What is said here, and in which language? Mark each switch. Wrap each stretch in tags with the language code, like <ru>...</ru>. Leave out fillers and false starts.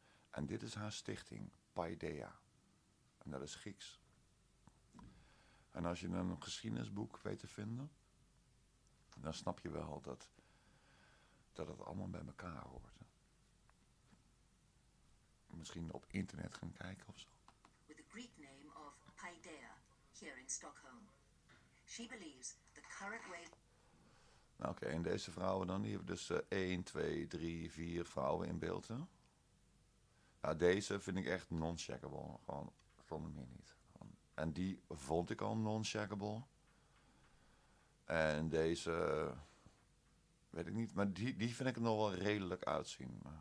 <nl>En dit is haar stichting, Paideia. En dat is Grieks. En als je een geschiedenisboek weet te vinden, dan snap je wel dat het allemaal bij elkaar hoort. Hè. Misschien op internet gaan kijken of zo.</nl> <en>With the Greek name of Paideia, here in Stockholm. She believes the current way...</en> <nl>Nou, oké, en deze vrouwen dan, die hebben dus 1, 2, 3, 4 vrouwen in beeld. Hè? Nou, deze vind ik echt non-checkable, gewoon zonder meer niet. En die vond ik al non-checkable. En deze, weet ik niet, maar die vind ik nog wel redelijk uitzien.</nl>